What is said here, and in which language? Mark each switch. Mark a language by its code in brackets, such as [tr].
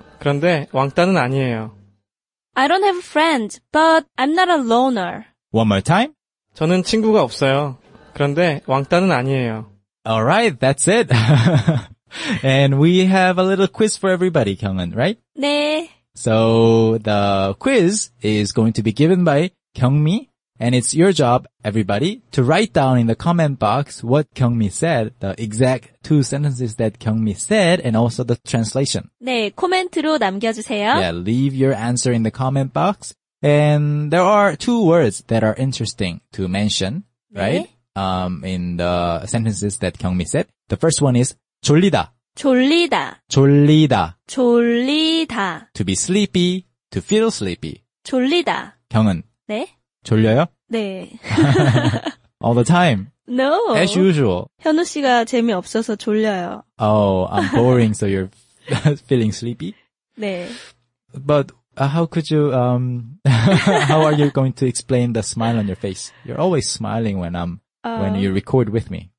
[ko] 그런데 왕따는 아니에요. [en] I don't have friends, but I'm not a loner. One more time. [ko] 저는 친구가 없어요. 그런데 왕따는 아니에요. [en] All right, that's it. And we have a little quiz for everybody, Kyungun, right? [ko] 네. [en] So the quiz is going to be given by Kyungmi, and it's your job, everybody, to write down in the comment box what Kyungmi said, the exact two sentences that Kyungmi said, and also the translation. [ko] 네, 코멘트로 남겨주세요. [en] Yeah, leave your answer in the comment box. And there are two words that are interesting to mention, 네. Right? In the sentences that Kyungmi said. The first one is 졸리다. [ko] 졸리다. 졸리다. 졸리다. [en] To be sleepy, to feel sleepy. [ko] 졸리다. 경은. 네. 졸려요? 네. [en] All the time. No. As usual. [ko] 현우 씨가 재미없어서 졸려요. [en] Oh, I'm boring, so you're feeling sleepy? [ko] 네. [en] But how could you, how are you going to explain the smile on your face? You're always smiling when I'm, when you record with me.